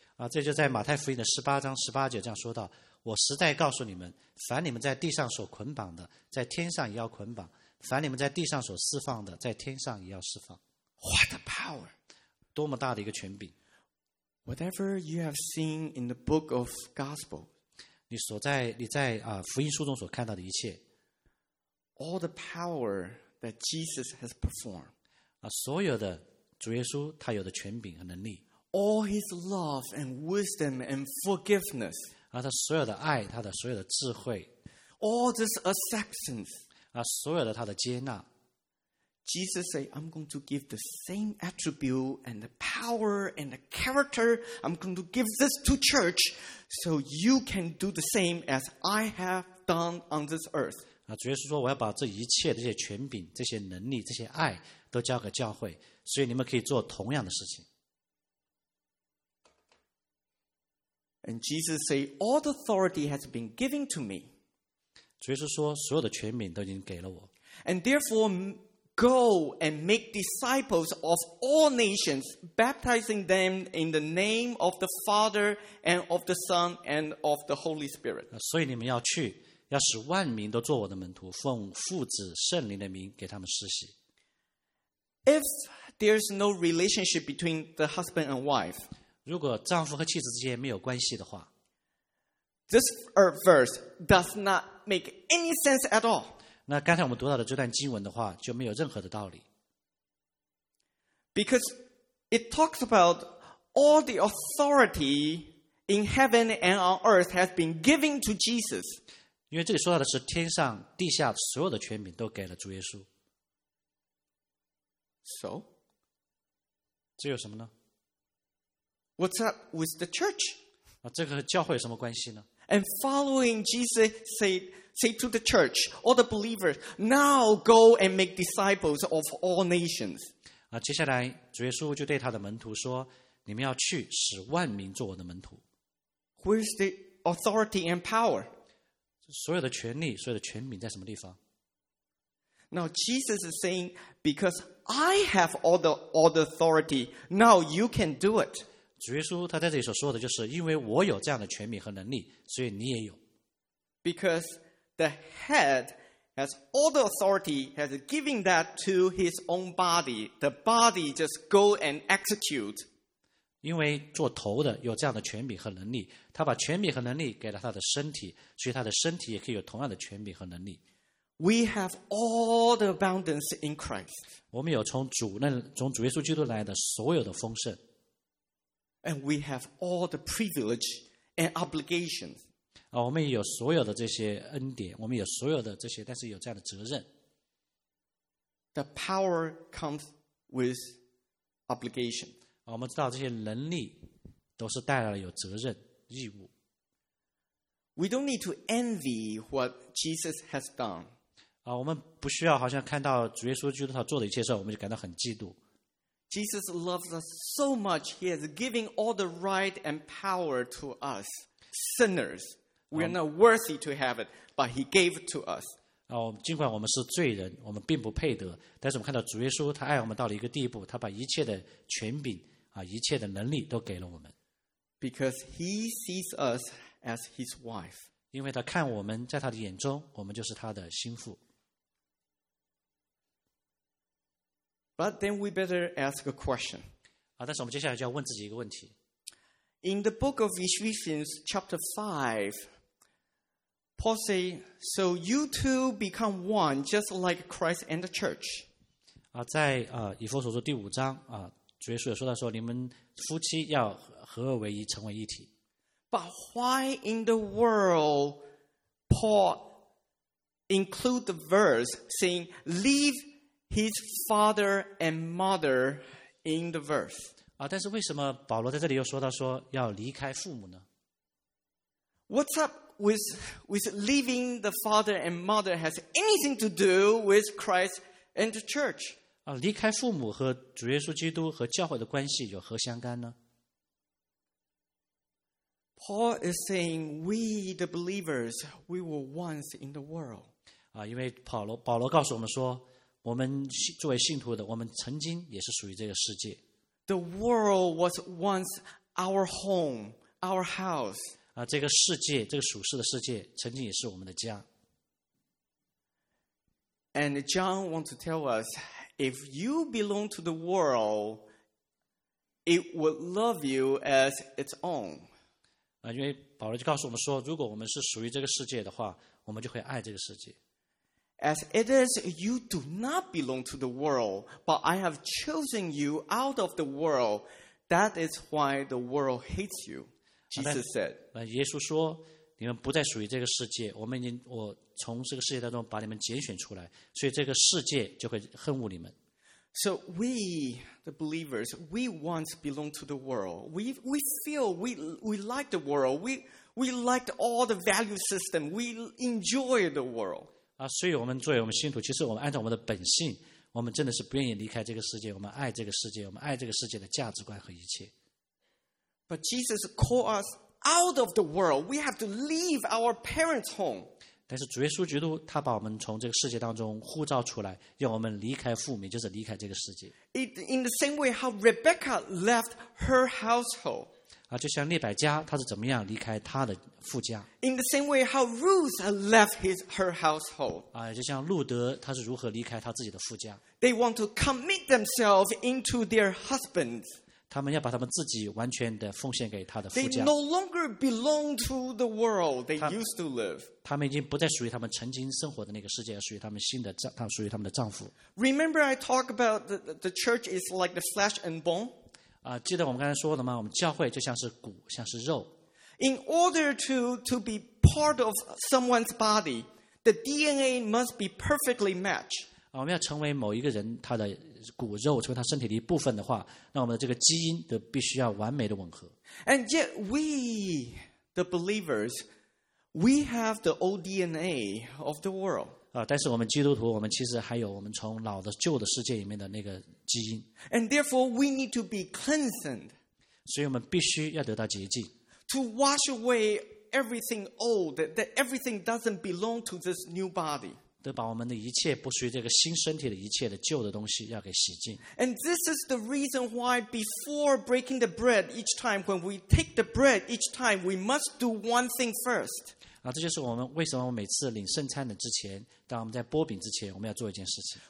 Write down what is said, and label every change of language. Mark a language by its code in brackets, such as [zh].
[zh] 这就在马太福音的18:18这样说到：我实在告诉你们，凡你们在地上所捆绑的，在天上也要捆绑；凡你们在地上所释放的，在天上也要释放。 [en] What a power! [zh] 多么大的一个权柄！ [en] Whatever you have seen in the book of gospel, [zh] 你在福音书中所看到的一切 [en] ，all the power that Jesus has performed, [zh] 所有的主耶稣他有的权柄和能力 [en] ，all his love and wisdom and forgiveness, [zh] 他所有的爱，他的所有的智慧 [en] ，all this acceptance, [zh] 所有的他的接纳。 [en] Jesus said, "I'm going to give the same attribute and the power and the character. I'm going to give this to church, so you can do the same as I have done on this earth." [zh] 主耶稣说，我要把这一切这些权柄、这些能力、这些爱都交给教会，所以你们可以做同样的事情。 [en] And Jesus said, "All the authority has been given to me." [zh] 主耶稣说，所有的权柄都已经给了我。 [en] And therefore. Go and make disciples of all nations, baptizing them in the name of the Father and of the Son and of the Holy Spirit. [zh] 所以你们要去，要使万民都做我的门徒，奉父子圣灵的名给他们施洗。 [en] If there's no relationship between the husband and wife, [zh] 如果丈夫和妻子之间没有关系的话， [en] this verse does not make any sense at all. [zh] 那刚才我们读到的这段经文的话就没有任何的道理。 [en] Because it talks about all the authority in heaven and on earth has been given to Jesus. [zh] 因为这里说到的是天上地下所有的权柄都给了主耶稣。 [en] So? [zh] 这有什么呢？ [en] What's up with the church? [zh] 这个和教会有什么关系呢？ [en] And following Jesus say to the church, all the believers, now go and make disciples of all nations. [zh] 接下来主耶稣就对他的门徒说，你们要去使万民做我的门徒。 [en] Where's the authority and power? [zh] 所有的权力，所有的权柄在什么地方？ [en] Now Jesus is saying, because I have all the authority, now you can do it. [zh] 主耶稣他在这里所说的就是因为我有这样的权柄和能力所以你也有 [en] Because the head has all the authority has given that to his own body the body just go and execute [zh] 因为做头的有这样的权柄和能力他把权柄和能力给了他的身体所以他的身体也可以有同样的权柄和能力 [en] We have all the abundance in Christ [zh] 我们有从主耶稣基督来的所有的丰盛 [en] And we have all the privilege and obligations. [zh] 我们有所有的这些恩典，我们有所有的这些，但是有这样的责任。 [en] The power comes with obligation. [zh] 我们知道这些能力都是带来了有责任、义务。 [en] We don't need to envy what Jesus has done. [zh] 我们不需要好像看到主耶稣基督他做的一切事，我们就感到很嫉妒。 [en] Jesus loves us so much, he has given all the right and power to us, sinners. We are not worthy to have it, but he gave it to us. [zh] 尽管我们是罪人，我们并不配得，但是我们看到主耶稣，他爱我们到了一个地步，他把一切的权柄，一切的能力都给了我们。 [en] Because he sees us as his wife. [zh] 因为他看我们在他的眼中，我们就是他的心腹。 [en] But then we better ask a question. [zh] 但是我们接下来就要问自己一个问题。 [en] In the book of Ephesians chapter 5, Paul says, so you too become one, just like Christ and the church. [zh] 在以弗所书第五章，主耶稣也说到说，你们夫妻要合而为一，成为一体。 [en] But why in the world, Paul include the verse saying, leave His father and mother in the verse. [zh] 但是为什么保罗在这里又说到说要离开父母呢？ [en] What's up with leaving the father and mother has anything to do with Christ and the church? [zh] 离开父母和主耶稣基督和教会的关系有何相干呢？ [en] Paul is saying we the believers we were once in the world. [zh] 因为保罗告诉我们说我们作为信徒的，我们曾经也是属于这个世界。 [en] The world was once our home, our house. [zh] 这个世界，这个属世的世界，曾经也是我们的家。 [en] And John wants to tell us, if you belong to the world, it would love you as its own. [zh] 因为保罗就告诉我们说，如果我们是属于这个世界的话，我们就会爱这个世界。 [en] As it is, you do not belong to the world, but I have chosen you out of the world. That is why the world hates you, Jesus said. [zh] 耶稣说，你们不再属于这个世界，我从这个世界当中把你们拣选出来，所以这个世界就会恨恶你们。 [en] So we, the believers, we once belong to the world. We feel we like the world. We like all the value system. We enjoy the world. [zh] 所以我们作为我们信徒其实我们按照我们的本性我们真的是不愿意离开这个世界我们爱这个世界我们爱这个世界的价值观和一切 [en] But Jesus called us out of the world We have to leave our parents' home [zh] 但是主耶稣基督他把我们从这个世界当中呼召出来，让我们离开父母，就是离开这个世界。 [en] In the same way how Rebecca left her household. [zh] 就像列百加他是怎么样离开他的父家。 [en] In the same way how Ruth left her household. [zh] 就像路德他是如何离开他自己的父家。 [en] They want to commit themselves into their husbands. [zh] 他们要把他们自己完全的奉献给他的父家。 [en] They no longer belong to the world they used to live. [zh] 他们已经不再属于他们曾经生活的那个世界，属于他们新的，他们属于他们的丈夫。 [en] Remember, I talk about the church is like the flesh and bone. [zh] 记得我们刚才说的吗？我们教会就像是骨，像是肉。 [en] In order to be part of someone's body, the DNA must be perfectly matched. [zh] 我们要成为某一个人他的骨肉，成为他身体的一部分的话，那我们的这个基因都必须要完美的吻合。 [en] And yet we, the believers, we have the old DNA of the world. [zh] 但是我们基督徒，我们其实还有我们从老的旧的世界里面的那个基因。 [en] And therefore we need to be cleansed. [zh] 所以我们必须要得到洁净。 [en] To wash away everything old, that everything doesn't belong to this new body. [zh] 得把我们的一切不属于这个新身体的一切的旧的东西要给洗净。 [en] And this is the reason why before breaking the bread each time, when we take the bread each time, we must do one thing first. [zh] 这就是我们为什么我们每次领圣餐的之前，当我们在擘饼之前，我们要做一件事情。